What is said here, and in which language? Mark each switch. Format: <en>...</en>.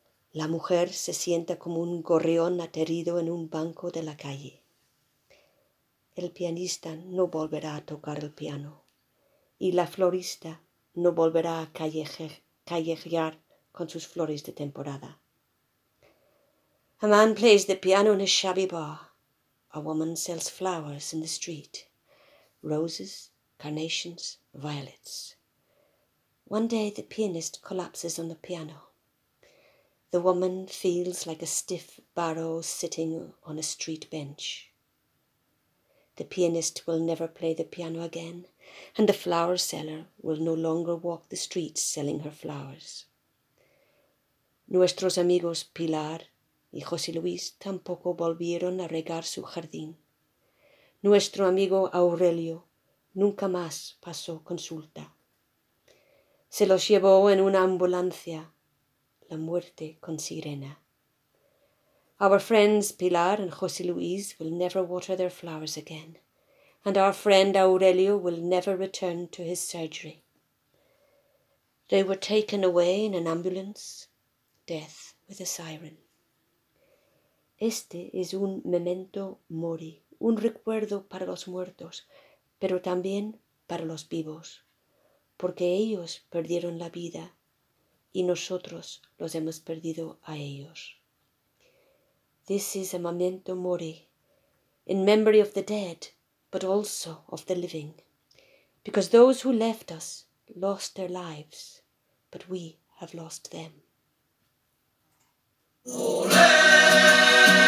<es>La mujer se sienta como un gorrión aterido en un banco de la calle. El pianista no volverá a tocar el piano y la florista no volverá a callejear con sus flores de temporada.</es> <en>A man plays the piano in a shabby bar. A woman sells flowers in the street. Roses, carnations, violets. One day the pianist collapses on the piano. The woman feels like a stiff barrow sitting on a street bench. The pianist will never play the piano again, and the flower seller will no longer walk the streets selling her flowers.</en> <es>Nuestros amigos Pilar y José Luis tampoco volvieron a regar su jardín. Nuestro amigo Aurelio nunca más pasó consulta. Se los llevó en una ambulancia, la muerte con sirena.</es> <en>Our friends Pilar and José Luis will never water their flowers again, and our friend Aurelio will never return to his surgery. They were taken away in an ambulance, death with a siren.</en> <es>Este es un memento mori, un recuerdo para los muertos, pero también para los vivos, porque ellos perdieron la vida y nosotros los hemos perdido a ellos.</es> <en>This is a memento mori, in memory of the dead, but also of the living, because those who left us lost their lives, but we have lost them.</en> <es>Olé!</es>